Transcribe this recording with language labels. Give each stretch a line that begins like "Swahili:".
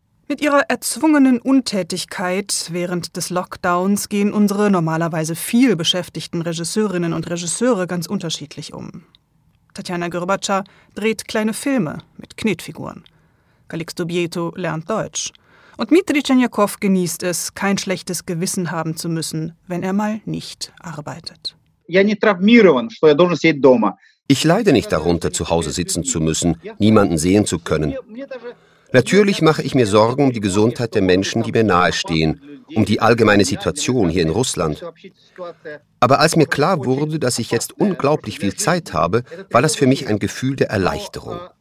German: Mit ihrer erzwungenen Untätigkeit während des Lockdowns gehen unsere normalerweise viel beschäftigten Regisseurinnen und Regisseure ganz unterschiedlich um. Tatjana Gürbatscher dreht kleine Filme mit Knetfiguren. Calixto Bieto lernt Deutsch. Und Dmitri Tschernjakow genießt es, kein schlechtes Gewissen haben zu müssen, wenn er mal nicht arbeitet.
Russian: Я не травмирован, что я должен сидеть дома.
German: Ich leide nicht darunter, zu Hause sitzen zu müssen, niemanden sehen zu können. Natürlich mache ich mir Sorgen um die Gesundheit der Menschen, die mir nahestehen, um die allgemeine Situation hier in Russland. Aber als mir klar wurde, dass ich jetzt unglaublich viel Zeit habe, war das für mich ein Gefühl der Erleichterung.